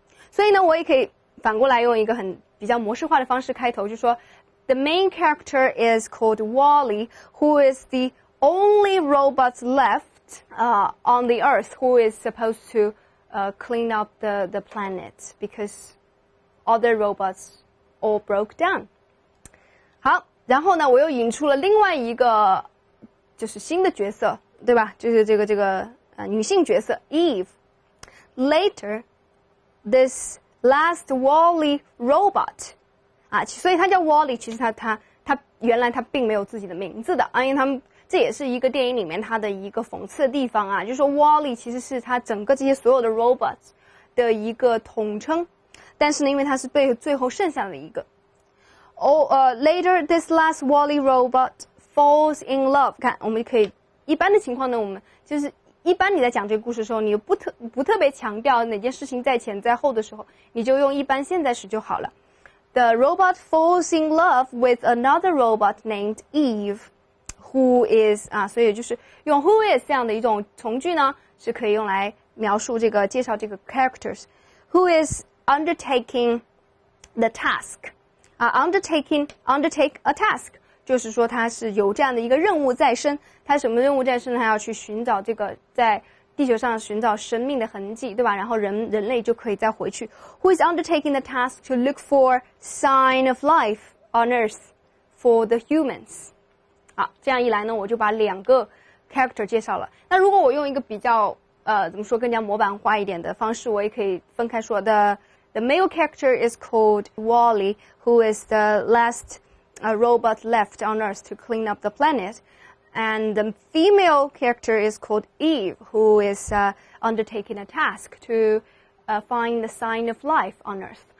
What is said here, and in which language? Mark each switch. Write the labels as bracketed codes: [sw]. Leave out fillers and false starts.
[zh] 所以呢，我也可以反过来用一个很比较模式化的方式开头，就说 [en] The main character is called Wally, who is the only robot left on the Earth, who is supposed to clean up the planet because other robots all broke down. [zh] 好。然后呢，我又引出了另外一个，就是新的角色，对吧？就是这个女性角色 Eve。 [en] Later, this last Wally robot， [zh] 啊，所以它叫 Wally， 其实它原来它并没有自己的名字的啊，因为他们这也是一个电影里面它的一个讽刺的地方啊，就是说 Wally 其实是它整个这些所有的 robots 的一个统称，但是呢，因为它是被最后剩下的一个。 [en] Later, this last Wally robot falls in love. [zh] 看，我们可以一般的情况呢，我们就是一般你在讲这个故事的时候，你不特别强调哪件事情在前在后的时候，你就用一般现在时就好了。 [en] The robot falls in love with another robot named Eve, who is [zh] 啊，所以就是用 who is 这样的一种从句呢，是可以用来描述这个介绍这个 [en] characters, who is undertaking the task. [zh] Undertake a task， 就是说他是有这样的一个任务在身。他什么任务在身呢？他要去寻找这个在地球上寻找生命的痕迹，对吧？然后人类就可以再回去。 [en] Who is undertaking the task to look for sign of life on Earth for the humans？ [zh] 好，这样一来呢，我就把两个 character 介绍了。那如果我用一个比较怎么说更加模板化一点的方式，我也可以分开说的。 [en] The male character is called Wally, who is the last robot left on Earth to clean up the planet. And the female character is called Eve, who is undertaking a task to find the sign of life on Earth.